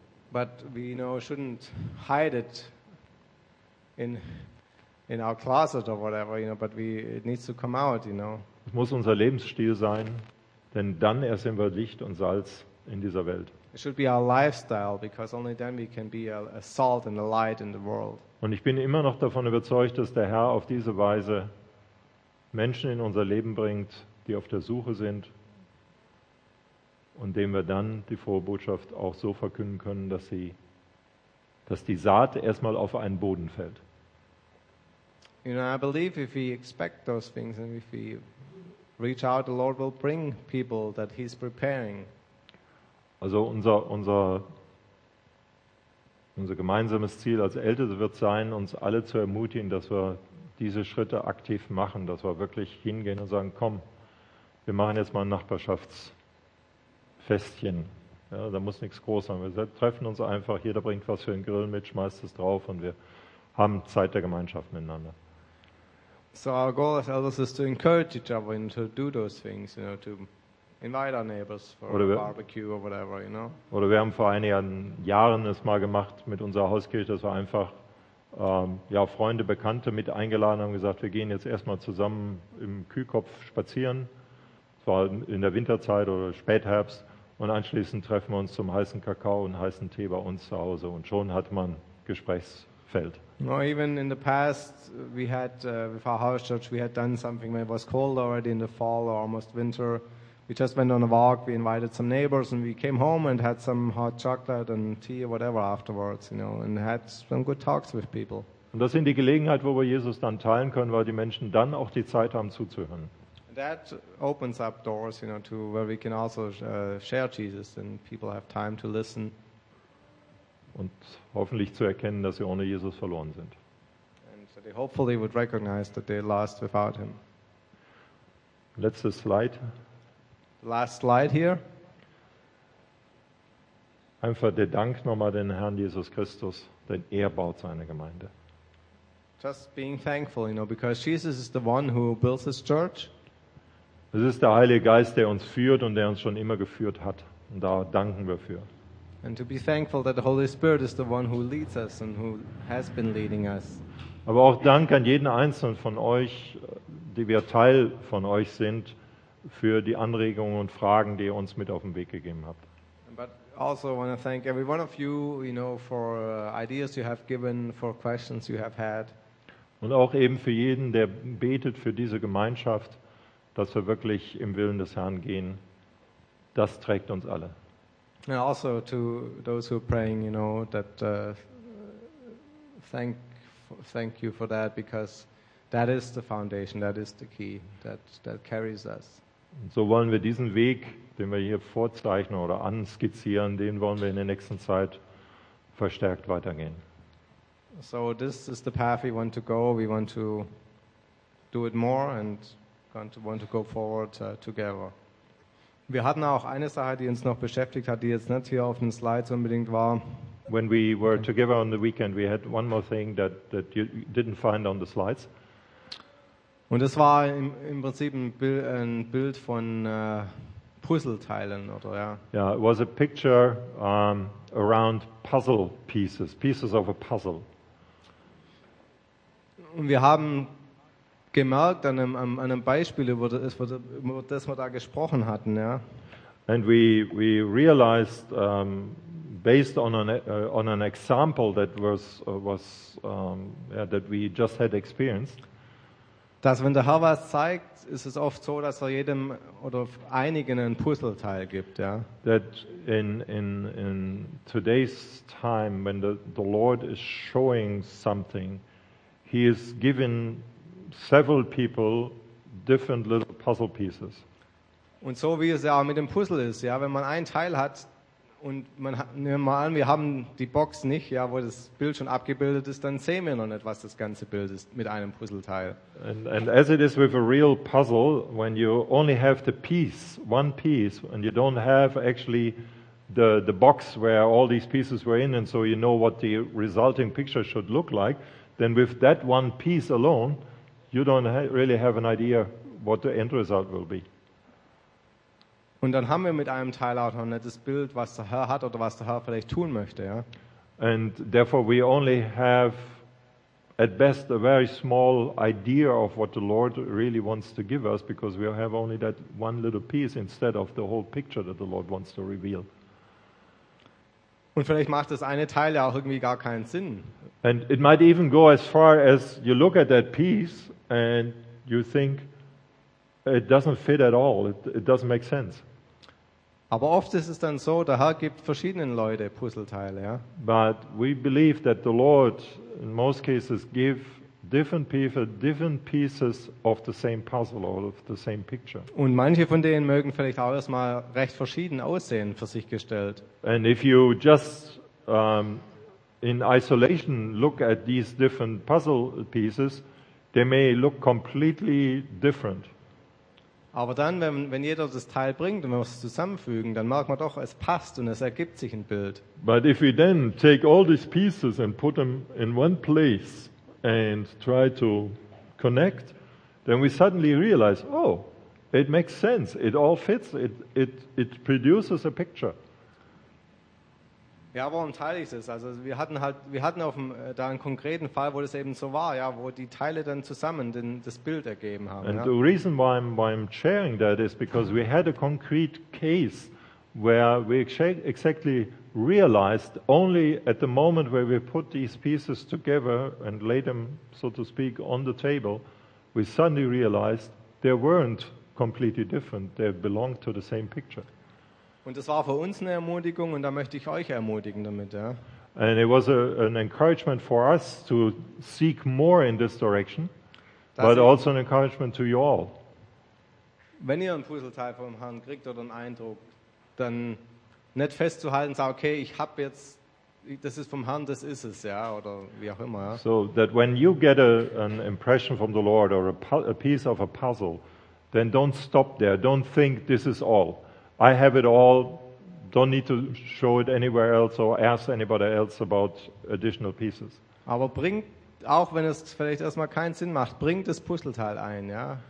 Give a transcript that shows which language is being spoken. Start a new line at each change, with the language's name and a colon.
English: But we, you know, shouldn't hide it in our closet or whatever, you know, but we, it needs to come out, you know.
German: Es muss unser Lebensstil sein, denn dann erst sind wir Licht und Salz in dieser Welt.
English: It should be our lifestyle, because only then we can be a salt and a light in the world.
German: Und ich bin immer noch davon überzeugt, dass der Herr auf diese Weise Menschen in unser Leben bringt, die auf der Suche sind, und dem wir dann die frohe Botschaft auch so verkünden können, dass die Saat erstmal auf einen Boden fällt.
English: You know, I believe if we expect those things and if we reach out, the Lord will bring people that He's preparing.
German: Also unser gemeinsames Ziel als Älteste wird sein, uns alle zu ermutigen, dass wir diese Schritte aktiv machen, dass wir wirklich hingehen und sagen, komm, wir machen jetzt mal ein Nachbarschaftsfestchen. Ja, da muss nichts groß sein. Wir treffen uns einfach, jeder bringt was für den Grill mit, schmeißt es drauf und wir haben Zeit der Gemeinschaft miteinander.
English: So our goal as elders is to encourage each other and to do those things, you know, to invite our neighbors for a barbecue or whatever, you know.
German: Oder wir haben vor einigen Jahren es mal gemacht mit unserer Hauskirche, dass wir einfach ja, Freunde, Bekannte mit eingeladen haben und gesagt, wir gehen jetzt erstmal zusammen im Kühlkopf spazieren. Es war in der Winterzeit oder Spätherbst und anschließend treffen wir uns zum heißen Kakao und heißen Tee bei uns zu Hause und schon hat man Gesprächsfeld.
English: No, even in the past, we had with our house church, we had done something when it was cold already in the fall or almost winter. We just went on a walk, we invited some neighbors, and we came home and had some hot chocolate and tea or whatever afterwards, you know, and had some good talks with people.
German: Und das sind die Gelegenheit, wo wir Jesus dann teilen können, weil die Menschen dann auch die Zeit haben zuzuhören.
English: That opens up doors, you know, to where we can also share Jesus and people have time to listen.
German: Und hoffentlich zu erkennen, dass sie ohne Jesus verloren sind.
English: And so they hopefully would recognize that they're lost without him.
German: Letzte Slide.
English: The last slide here.
German: Einfach der Dank nochmal den Herrn Jesus Christus, denn er baut seine Gemeinde.
English: Just being thankful, you know, because Jesus is the one who builds his church.
German: Es ist der Heilige Geist, der uns führt und der uns schon immer geführt hat. Und da danken wir für.
English: And to be thankful that the Holy Spirit is the one who leads us and who has been leading us.
German: Aber auch Dank an jeden Einzelnen von euch, die wir Teil von euch sind, für die Anregungen und Fragen, die ihr uns mit auf den Weg gegeben habt.
English: But also want to thank every one of you, you know, for ideas you have given, for questions you have had.
German: Und auch eben für jeden, der betet für diese Gemeinschaft, dass wir wirklich im Willen des Herrn gehen, das trägt uns alle.
English: And also to those who are praying, you know, that thank you for that, because that is the foundation, that is the key, that carries us.
German: Und so wollen wir diesen Weg, den wir hier vorzeichnen oder anskizzieren, den wollen wir in der nächsten Zeit verstärkt weitergehen.
English: So this is the path we want to go. We want to do it more and want to go forward together.
German: Wir hatten auch eine Sache, die uns noch beschäftigt hat, die jetzt nicht hier auf den Slides unbedingt war.
English: When we were together on the weekend, we had one more thing that you didn't find on the slides.
German: Und es war im Prinzip ein Bild von Puzzleteilen, oder ja?
English: Yeah, it was a picture around puzzle pieces of a puzzle.
German: Und wir haben gemerkt an einem Beispiel, über das wir da gesprochen hatten, ja.
English: And we realized based on an example that was that we just had experienced,
German: dass wenn der Herr was zeigt, ist es oft so, dass er jedem oder einigen ein Puzzleteil gibt, ja.
English: That in today's time, when the Lord is showing something, he is giving several people different little puzzle pieces.
German: Und so wie es ja auch mit dem Puzzle ist, ja, wenn man ein Teil hat und man nehmen wir mal an, wir haben die Box nicht, ja, wo das Bild schon abgebildet ist, dann sehen wir noch nicht, was das ganze Bild ist mit einem Puzzleteil.
English: And as it is with a real puzzle, when you only have the piece, one piece, and you don't have actually the box where all these pieces were in, and so you know what the resulting picture should look like, then with that one piece alone, you don't really have an idea what the end result will be.
German: Und dann haben wir mit einem Teil auch noch nicht das Bild, was der Herr hat oder was der Herr vielleicht tun möchte, ja.
English: And therefore we only have at best a very small idea of what the Lord really wants to give us, because we have only that one little piece instead of the whole picture that the Lord wants to reveal.
German: Und vielleicht macht das eine Teil ja auch irgendwie gar keinen Sinn.
English: And it might even go as far as you look at that piece and you think it doesn't fit at all. It doesn't make sense.
German: Aber oft ist es dann so, der Herr gibt verschiedenen Leute Puzzleteile, ja.
English: But we believe that the Lord in most cases give different people different pieces of the same puzzle or of the same picture.
German: Und manche von denen mögen vielleicht auch erstmal recht verschieden aussehen für sich gestellt.
English: And if you just in isolation look at these different puzzle pieces, they may look completely different.
German: Aber dann, wenn jeder das Teil bringt und wir es zusammenfügen, dann merkt man doch, es passt und es ergibt sich ein Bild.
English: But if we then take all these pieces and put them in one place and try to connect, then we suddenly realize, oh, it makes sense, it all fits, it produces a picture.
German: Ja, warum teile ich das? Also wir hatten da einen konkreten Fall, wo das eben so war, ja, wo die Teile dann zusammen das Bild ergeben haben.
English: And
German: ja.
English: The reason why I'm sharing that is because we had a concrete case where we exactly realized only at the moment where we put these pieces together and laid them, so to speak, on the table, we suddenly realized there weren't completely different. They belong to the same picture.
German: Und das war für uns eine Ermutigung, und da möchte ich euch ermutigen damit, ja.
English: And it was an encouragement for us to seek more in this direction, but also an encouragement to you all.
German: Wenn ihr ein Puzzleteil vom Herrn kriegt oder einen Eindruck, dann nicht festzuhalten, sag okay, ich habe jetzt, das ist vom Herrn, das ist es, ja, oder wie auch immer. Ja.
English: So that when you get an impression from the Lord or a piece of a puzzle, then don't stop there. Don't think this is all. I have it all. Don't need to show it anywhere else or ask anybody else about additional pieces.
German: Aber bringt, auch wenn es vielleicht erstmal keinen Sinn macht, bringt das Puzzleteil ein, ja.